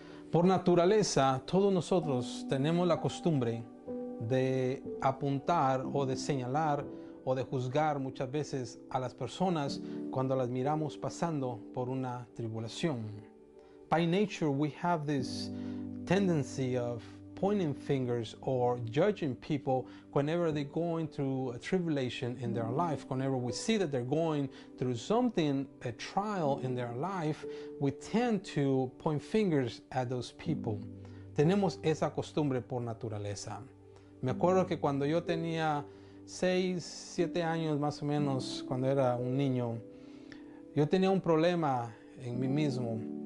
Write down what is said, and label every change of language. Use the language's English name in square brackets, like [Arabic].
[Spanish] Por naturaleza, todos nosotros tenemos la costumbre de apuntar o de señalar o de juzgar muchas veces a las personas cuando las miramos pasando por una tribulación. [English] By nature, we have this tendency of pointing fingers or judging people whenever they're going through a tribulation in their life. Whenever we see that they're going through something, a trial in their life, we tend to point fingers at those people. [Spanish] Tenemos esa costumbre por naturaleza. Me acuerdo que cuando yo tenía 6, 7 años más o menos, cuando era un niño, yo tenía un problema en mí mismo.